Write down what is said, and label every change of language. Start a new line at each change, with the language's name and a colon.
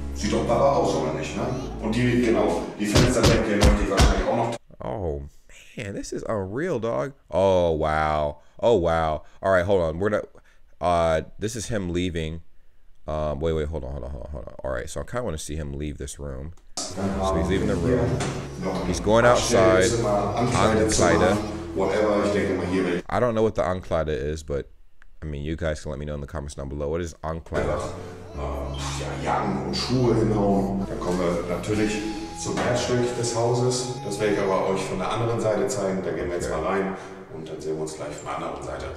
German: Sieht doch baba aus, oder nicht, ne? Und die, genau, die Fensterbänke möchte ich wahrscheinlich auch noch.
English: Oh man, this is unreal, dog. Oh wow. Oh wow. All right, hold on. We're gonna this is him leaving. Wait, hold on. All right, so I kind of want to see him leave this room. So he's leaving the room. He's going outside.
German: Ankleide. Whatever, ich denke mal hier.
English: I don't know what the Ankleide is, but I mean, you guys can let me know in the comments down below. What is Ankleide?
German: Ja, Jacken und Schuhe hinhauen. Dann kommen wir natürlich zum Herzstück des Hauses. Das werde ich aber euch von der anderen Seite zeigen. Da gehen wir jetzt mal rein und dann sehen wir uns gleich von der anderen Seite.